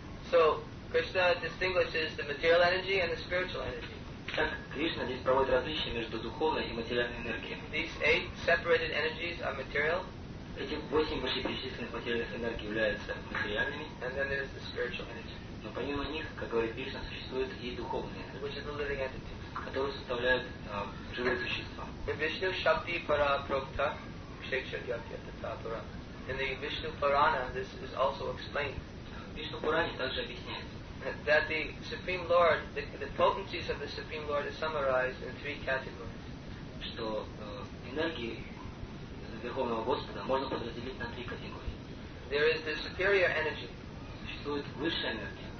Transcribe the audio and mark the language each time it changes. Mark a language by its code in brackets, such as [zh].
[en] So, Krishna distinguishes the material energy and the spiritual energy. [ru] Так Кришна здесь проводит различие между духовной и материальной энергией. [en] These eight separated energies are material. [ru] Эти восемь вышеперечисленных материальных энергий являются материальными. [en] And then there is the spiritual energy. [ru] Но помимо них, как говорит Кришна, существуют и духовные энергии. [en] Which are the living entities. [ru] Которые составляют живые существа. [sa] In Vishnu Shakti Para Prokta, Kshetra Yatya Tathapura. [en] In the Vishnu Purana, this is also explained. [ru] В Вишну Пуране также объясняется. [en] That the Supreme Lord, the potencies of the Supreme Lord is summarized in three categories. [ru] Что энергии Верховного Господа можно подразделить на три категории. [en] There is the superior energy. [ru] Существует высшая энергия.